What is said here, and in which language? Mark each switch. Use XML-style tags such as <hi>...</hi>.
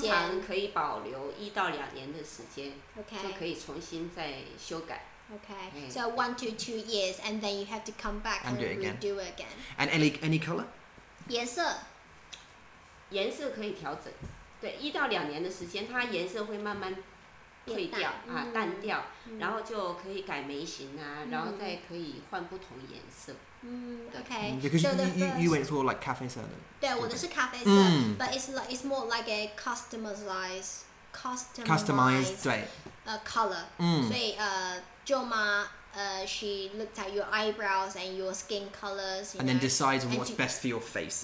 <zh>通常可以保留一到两年的时间</zh> <en>，Okay,</en> <zh>就可以重新再修改。</zh> <en>Okay, so 1 to 2 years, and then you have to come back and redo again. And any color?</en> <zh>颜色。颜色可以调整。对，一到两年的时间，它颜色会慢慢。退掉啊，淡掉，然后就可以改眉形啊，然后再可以换不同颜色。</zh> <en>Okay. Because you went for like</en> <zh>咖啡色的。对，我的是咖啡色。</zh> <en>But it's more like a customized color.</en> <zh>所以舅妈</zh> <en>she looks at your eyebrows and your skin colors, and then decides what's best for your face.</en>